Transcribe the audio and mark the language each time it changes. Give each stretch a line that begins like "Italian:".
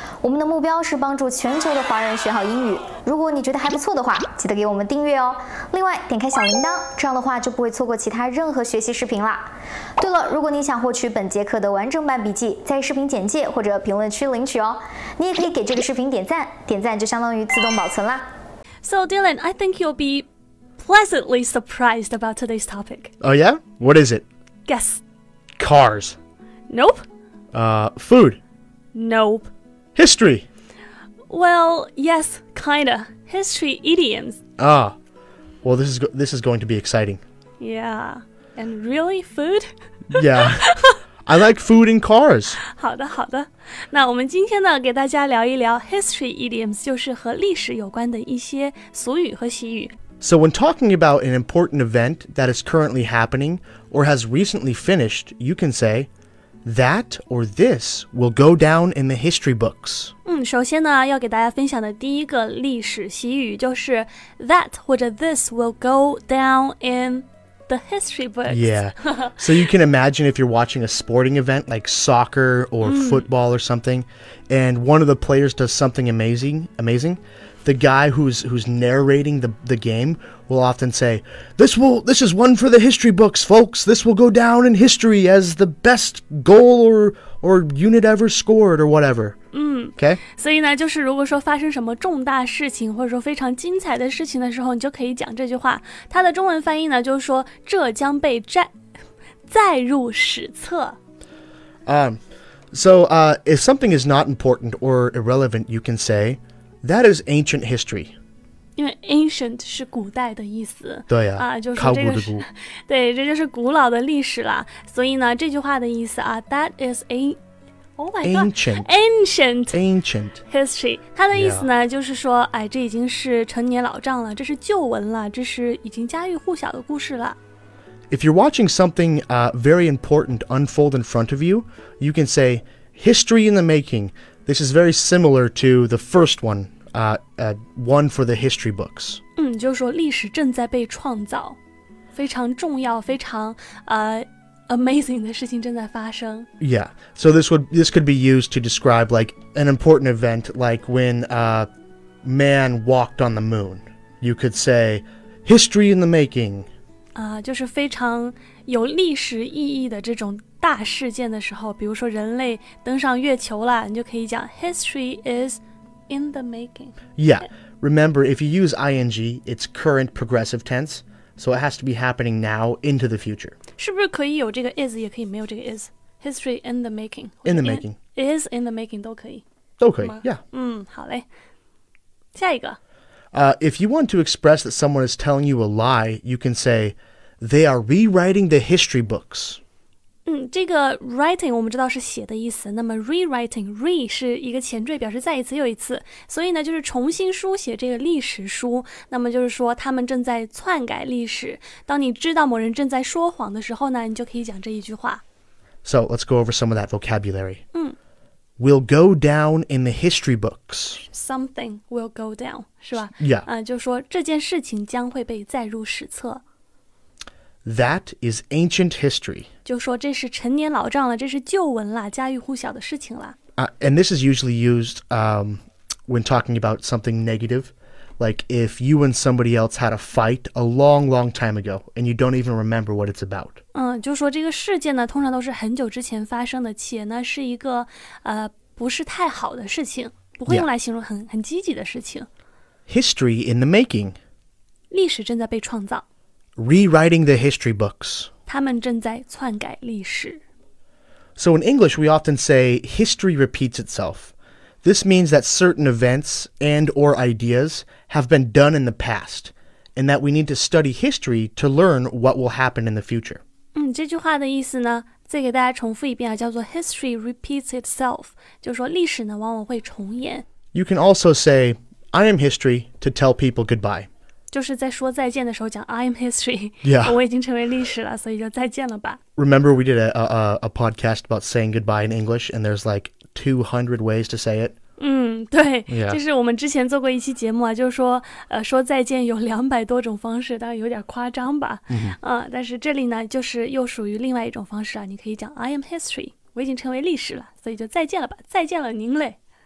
Chinese: 我们的目标是帮助全球的华人学好英语。如果你觉得还不错的话，记得给我们订阅哦。另外，点开小铃铛，这样的话就不会错过其他任何学习视频啦。对了，如果你想获取本节课的完整版笔记，在视频简介或者评论区领取哦。你也可以给这个视频点赞，点赞就相当于自动保存啦。
English: So Dylan, I think you'll be pleasantly surprised about today's topic. Oh yeah? What is it? Guess. Cars. Nope. Food. Nope. History. Well, yes, kinda. History idioms. Ah. Well, this is going to be exciting. Yeah. And really, food? Yeah. I like food and cars.
Chinese: 好的好的，那我们今天呢给大家聊一聊
English: history idioms，
Chinese: 就是和历史有关的一些俗语和习语。
English: So when talking about an important event that is currently happening or has recently finished, you can say that or this will go down in the history books.
Chinese: 首先呢要给大家分享的第一个历史习语就是 that 或者
English: this will go down inThe history books. Yeah. So you can imagine if you're watching a sporting event like soccer or football or something, and one of the players does something amazing, the guy who's narrating the game will often say, this is one for the history books, folks. This will go down in history as the best goal or unit ever scored or whatever. Okay.
Chinese: 所以呢就是如果说发生什么重大事情或者说非常精彩的事情的时候你就可以讲这句话它的中文翻译呢就是说这将被载入史册
English: So if something is not important or irrelevant you can say that is ancient history
Chinese: 因为 ancient 是古代的意思对啊、就是、这个是考古的古对这就是古老的历史了所以呢这句话的意思啊
English: that is aAncient history.
Chinese: 它的意思呢、
English: yeah.
Chinese: 就是说哎，这已经是陈年老账了这是旧闻了这是已经家喻户晓的故事了
English: If you're watching something very important unfold in front of you, you can say history in the making. This is very similar to the first one, one for the history books.
Chinese: 就是说历史正在被创造非常重要非常Amazing 的事情正在发生
English: Yeah, so this could be used to describe like an important event like when a man walked on the moon. You could say history in the making.
Chinese: 就是非常有历史意义的这种大事件的时候比如说人类登上月球了你就可以讲
English: history is in the making. Yeah, remember if you use ing, it's current progressive tense. So it has to be happening now into the future.
Chinese: 是不是可以有这个 is 也可以没有这个 is?
English: History in the making. In the making. Is in the making
Chinese: 都可以。都可以
English: yeah.
Chinese: 好嘞。下一个。
English: If you want to express that someone is telling you a lie, you can say, they are rewriting the history books.
Chinese: 这个 writing 我们知道是写的意思。那么 rewriting, re 是一个前缀表示再一次又一次。所以呢就是重新书写这个历史书。那么就是说他们正在篡改历史。当你知道某人正在说谎的时候呢你就可以讲这一句话。
English: So, let's go over some of that vocabulary. Will go down in the history books. Something will go down,
Chinese: 是吧
English: Yeah.
Chinese: 就是说这件事情将会被载入史册。
English: That is ancient history.
Chinese: 就说这是陈年老账了，这是旧闻了，家喻户晓的事情了。
English: And this is usually used when talking about something negative. Like if you and somebody else had a fight a long, long time ago, and you don't even remember what it's about.
Chinese: 就说这个事件呢，通常都是很久之前发生的，且呢是一个不是太好的事情，不会用来形容很积极的事情。
English: History in the making.
Chinese: 历史正在被创造。
English: Rewriting the history books.
Chinese: 他们正在篡改历史。
English: So in English, we often say history repeats itself. This means that certain events and or ideas have been done in the past, and that we need to study history to learn what will happen in the future.
Chinese: 这句话的意思呢，再给大家重复一遍啊，叫做
English: history repeats itself,
Chinese: 就是说历史呢，往往会重演。
English: You can also say, I am history to tell people goodbye.
Chinese: 就是在说再见的时候讲
English: I'm history、 yeah.
Chinese: 我已经成为历史了所以就再见了吧
English: Remember we did a podcast about saying goodbye in English and there's like 200 ways to say it.
Chinese: 对、
English: yeah.
Chinese: 就是我们之前做过一期节目啊就是说说再见有200多种方式当然有点夸张吧、 mm-hmm. 但是这里呢就是又属于另外一种方式啊你可以讲
English: I am history,
Chinese: 我已经成为历史了所以就再见了吧再见了您嘞。